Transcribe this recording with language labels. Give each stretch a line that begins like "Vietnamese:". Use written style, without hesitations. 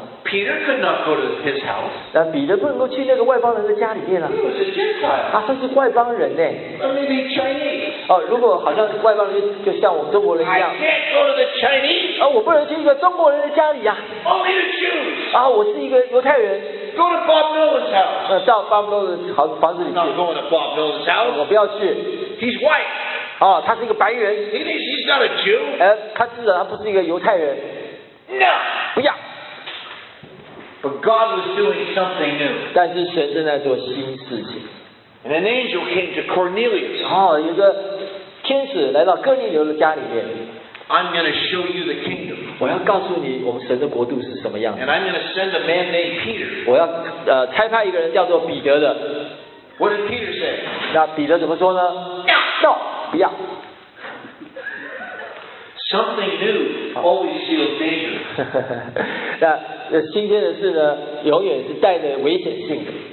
English: Peter could not go to his house.
Chinese: 但彼得不能够去那个外邦人的家里面了。
English: He was a Gentile.
Chinese: 他是外邦人呢。
English: Or maybe Chinese.
Chinese: 如果好像外邦人就像我们中国人一样。
English: I can't go to the Chinese.
Chinese: 我不能去一个中国人的家里啊。
English: Only to Jews.
Chinese: 我是一个犹太人。
English: Go to Bob Nolan's house.
Chinese: 到 Bob Nolan's 房子里去。
English: I'm not going to Bob Nolan's house.
Chinese: 我不要去。
English: He's white.
Chinese: 他是一个白人。
English: He's not a Jew.
Chinese: 他至少他不是一个犹太人。
English: No.
Chinese: 不要。
English: But God was doing something new.
Chinese: 但是神正在做新事情。
English: And an angel came to Cornelius.
Chinese: 有个天使来到哥尼流的家里面。
English: I'm going to show you the kingdom.
Chinese: 我要告诉你我们神的国度是什么样的。
English: And I'm going to send a man named Peter.
Chinese: 我要差派一个人叫做彼得的。
English: What did Peter say?
Chinese: 那彼得怎么说呢？
English: No. No.
Chinese: 不要。
English: Something new always feels dangerous.
Chinese: 那新鲜的事呢，永远是带着危险性的。